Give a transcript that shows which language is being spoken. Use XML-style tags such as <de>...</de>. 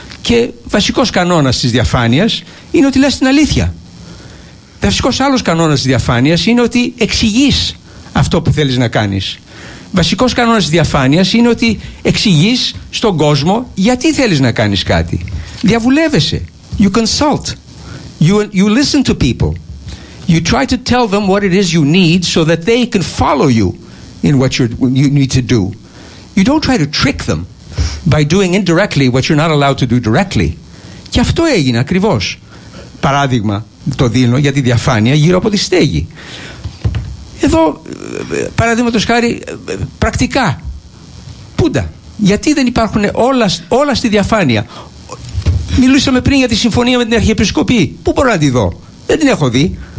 <el>Και βασικός κανόνας της διαφάνειας είναι ότι λες την αλήθεια. Βασικός άλλος κανόνας της διαφάνειας είναι ότι εξηγείς αυτό που θέλεις να κάνεις. Βασικός κανόνας της διαφάνειας είναι ότι εξηγείς στον κόσμο γιατί θέλεις να κάνεις κάτι. Διαβουλεύεσαι.</el> <en>You consult. You listen to people. You try to tell them what it is you need so that they can follow you in what you need to do. You don't try to trick them by doing indirectly what you're not allowed to do directly.</en> <el>Και αυτό έγινε ακριβώς. Παράδειγμα το δίνω για τη διαφάνεια γύρω από τη στέγη. Εδώ, παραδείγματος χάρη, πρακτικά, πούντα, γιατί δεν υπάρχουν όλα στη διαφάνεια? Μιλούσαμε πριν για τη συμφωνία με την Αρχιεπισκοπή. Πού μπορώ να τη δω? Δεν την έχω δει.</el>